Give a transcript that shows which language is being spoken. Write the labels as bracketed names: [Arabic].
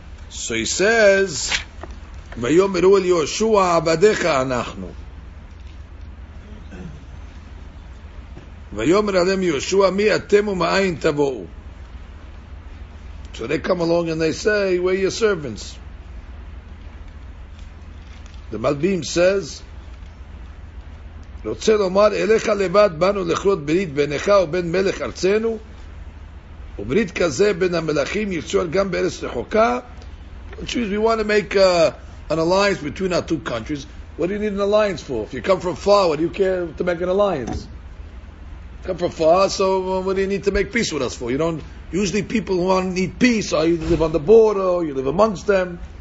[English] So he says, [Hebrew] ויאמרו אל יהושע עבדיך אנחנו ויאמר אליהם יהושע מי אתם ומאין תבואו. [English] So they come along and they say, where are your servants? The Malbim says, [Hebrew] רוצה לומר אליך לבד באנו לכרות ברית ביניך ובין מלך ארצנו וברית כזה בין המלכים יצור גם בארץ רחוקה. [English] We want to make an alliance between our two countries. What do you need an alliance for? If you come from far, what do you care to make an alliance? Come from far, so what do you need to make peace with us for? You don't usually, people who want need peace are either live on the border or you live amongst them.